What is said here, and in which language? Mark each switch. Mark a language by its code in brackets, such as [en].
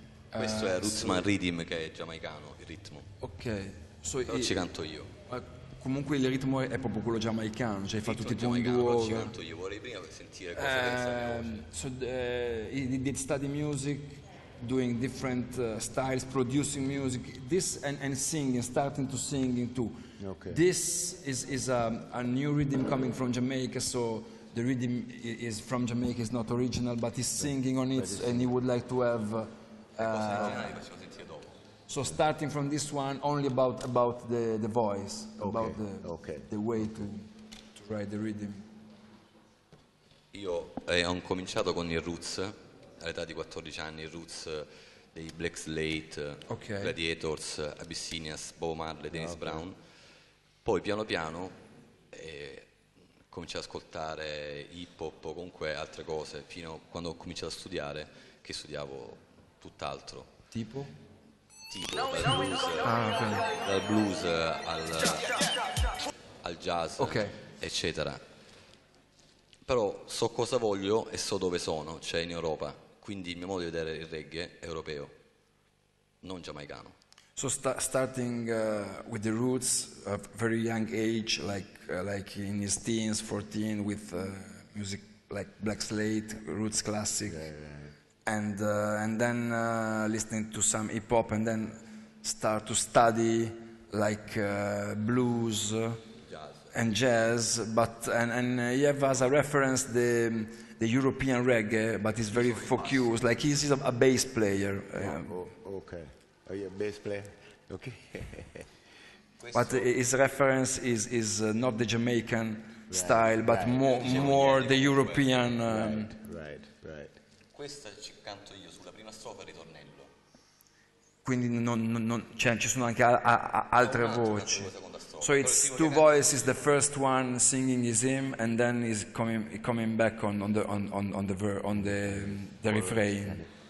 [it] Questo è Rootsman Rhythm, che è giamaicano, il ritmo. Ok. Però ci canto io. Comunque il ritmo è proprio quello giamaicano, cioè hai fatto tutti i tuoi due. Io vorrei prima sentire cosa è. [en] So, he did study music, doing different styles, producing music, this and singing, starting to singing too. Okay. This is a new rhythm coming from Jamaica, so the rhythm is from Jamaica, it's not original, but he's singing on it and he would like to have. So starting from this one, only about the voice, okay, about the okay, the way to write the rhythm. [it] Io ho cominciato con il roots all'età di 14 anni, il roots dei Black Slate, okay, Gladiators, Abyssinias, Bob Marley, Dennis okay Brown. Poi piano piano cominciato ad ascoltare hip hop o comunque altre cose, fino a quando ho cominciato a studiare, che studiavo tutt'altro. Tipo dal blues, dal blues al jazz, okay, eccetera. Però so cosa voglio e so dove sono, cioè in Europa. Quindi il mio modo di vedere il reggae è europeo, non giamaicano. [en] So starting with the roots of very young age, like in his teens, 14, with music like Black Slate, roots classic. Yeah, yeah. And then listening to some hip hop and then start to study like blues and jazz, but and he have as a reference the European reggae, but he's very focused, like he's a bass player. Okay. Are you a bass player? Okay. But his reference is not the Jamaican right style, but right more the European. Right. [it] Questa ci canto io sulla prima strofa, il ritornello. Quindi non cioè ci sono anche altre voci. [en] So it's two voices, the first one singing is him and then is coming back on the refrain.